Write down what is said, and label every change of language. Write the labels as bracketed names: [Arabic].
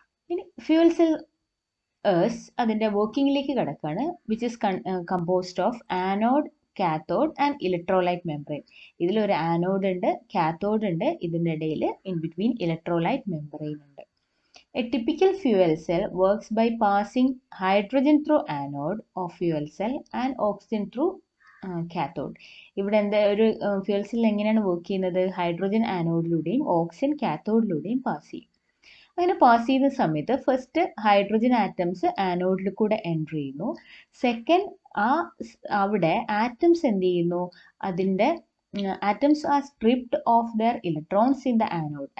[Malayalam] ഇനി fuel cell ഏഴ്സ് അതിൻ്റെ വർക്കിംഗിലേക്ക് കടക്കുകയാണ്. [English] Which is composed of anode, cathode and electrolyte membrane. [Malayalam] ഇതിലൊരു ആനോഡ് ഉണ്ട്, കാത്തോഡ് ഉണ്ട്, ഇതിൻ്റെ ഇടയിൽ ഇൻ ബിറ്റ്വീൻ ഇലക്ട്രോലൈറ്റ് മെംബ്രെയിൻ ഉണ്ട്. [English] A typical fuel cell works by passing hydrogen through anode of fuel cell and oxygen through cathode. [Malayalam] ഇവിടെ എന്താ ഒരു fuel cell എങ്ങനെയാണ് വർക്ക് ചെയ്യുന്നത്? ഹൈഡ്രോജൻ ആനോഡിലൂടെയും ഓക്സിജൻ കാത്തോഡിലൂടെയും പാസ് ചെയ്യും. അങ്ങനെ പാസ് ചെയ്യുന്ന സമയത്ത് ഫസ്റ്റ് ഹൈഡ്രോജൻ ആറ്റംസ് ആനോഡിൽ കൂടെ എൻ്റർ ചെയ്യുന്നു. [English] second, [Malayalam] അവിടെ ആറ്റംസ് എന്ത് ചെയ്യുന്നു, അതിൻ്റെ [English] Atoms are stripped off their electrons in the anode.